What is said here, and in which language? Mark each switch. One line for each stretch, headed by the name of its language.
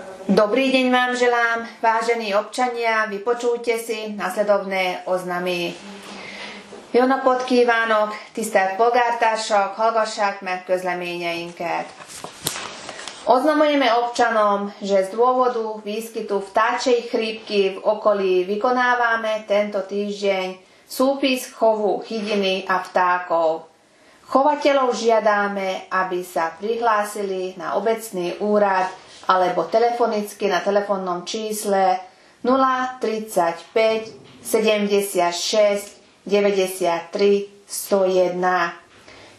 Slovak: Dobrý deň vám želám, vážení občania, vypočujte si nasledovné oznamy.
Hungarian: Jóna podkívánok, tisztelt polgártársak, hallgassák meg közleményeinket.
Slovak: Oznamujeme občanom, že z dôvodu výskytu vtáčej chrípky v okolí vykonávame tento týždeň súpis chovu chydiny a vtákov. Chovateľov žiadame, aby sa prihlásili na obecný úrad alebo telefonicky na telefónnom čísle 035 76 93 101.